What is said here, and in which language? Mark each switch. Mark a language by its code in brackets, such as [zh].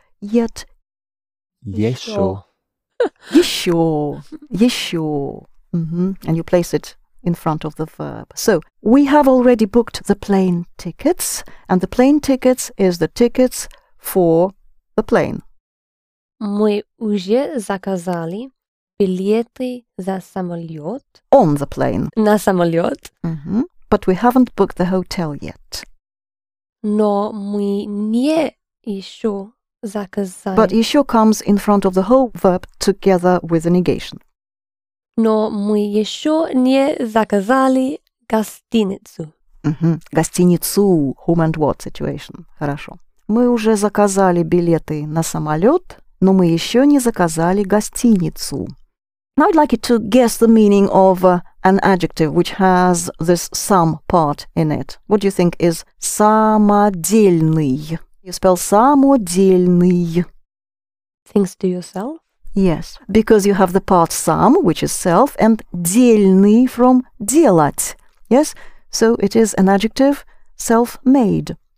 [en] Yet. [ru] Еще. Еще. Еще. Mm-hmm. [en] And you place it in front of the verb. So, we have already booked the plane tickets, and the plane tickets is the tickets for the plane. [ru] Мы уже заказали билеты за самолет. [en] On the plane. [ru] На самолет. [en] Mm-hmm. But we haven't booked the hotel yet. [ru] Но мы не еще заказали. [en] But еще comes in front of the whole verb together with a negation. [ru] Но мы еще не заказали гостиницу. [en] Mm-hmm. [ru] Гостиницу. [en] Whom and what situation. [ru] Хорошо. Мы уже заказали билеты на самолет. Но мы еще не заказали гостиницу. [en] Now I'd like you to guess the meaning of an adjective which has this some part in it. What do you think is самодельный? You spell самодельный. Things to yourself? Yes, because you have the part сам, which is self, and дельный from делать. Yes, so it is an adjective self-made.